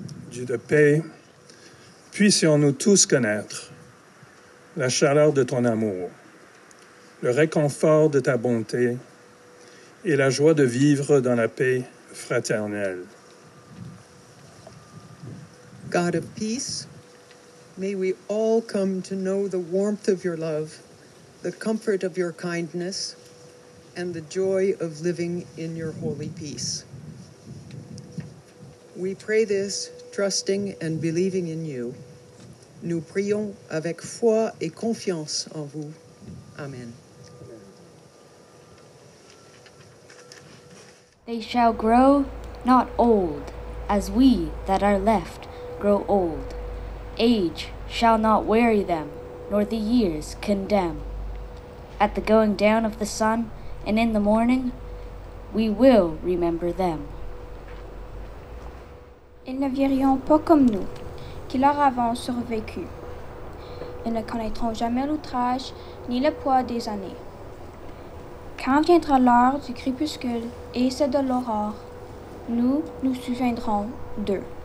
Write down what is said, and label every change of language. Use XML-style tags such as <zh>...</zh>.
<fr>Dieu de paix, puissions-nous tous connaître la chaleur de ton amour, le réconfort de ta bonté et la joie de vivre dans la paix fraternelle.</fr> <en>God of peace, may we all come to know the warmth of your love, the comfort of your kindness, and the joy of living in your holy peace. We pray this, trusting and believing in you.</en> <fr>Nous prions avec foi et confiance en vous. Amen.</fr> <en>They shall grow not old, as we that are left grow old. Age shall not weary them, nor the years condemn. At the going down of the sun and in the morning, we will remember them.</en> <fr>Ils ne vieilliront pas comme nous, qui leur avons survécu. Ils ne connaîtront jamais l'outrage, ni le poids des années. Quand viendra l'heure du crépuscule et celle de l'aurore, nous nous souviendrons d'eux.</fr>